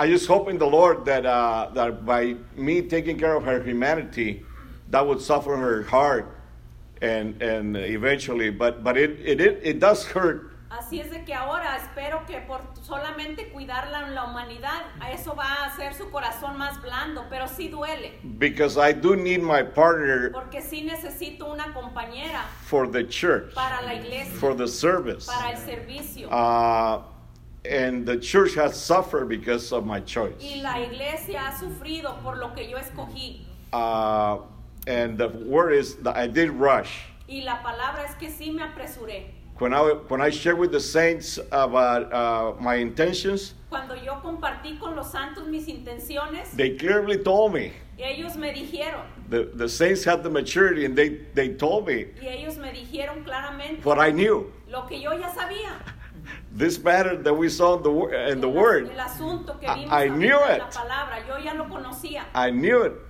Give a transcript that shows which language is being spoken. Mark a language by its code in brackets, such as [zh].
[en] I just hope in the Lord that that by me taking care of her humanity, that would soften her heart, and eventually. But it does hurt. [es] Así es de que ahora espero que por solamente cuidar la humanidad, eso va a hacer su corazón más blando, pero sí duele. [en] Because I do need my partner. [es] Porque sí necesito una compañera. [en] For the church. [es] Para la iglesia. [en] For the service. [es] Para el servicio. [en] And the church has suffered because of my choice. [es] Y la iglesia ha sufrido por lo que yo escogí. [en] And the word is that I did rush. [es] Y la palabra es que sí me apresuré. [en] When I shared with the saints about my intentions, [es] cuando yo compartí con los santos mis intenciones, [en] they clearly told me. [es] Ellos me dijeron, [en] the saints had the maturity, and they told me. [es] Y ellos me dijeron claramente, [en] what I knew. [es] Lo que yo ya sabía. [en] This matter that we saw in the word, [es] el asunto que vimos [en] I knew it. [es] La palabra, yo ya lo conocía. [en] I knew it.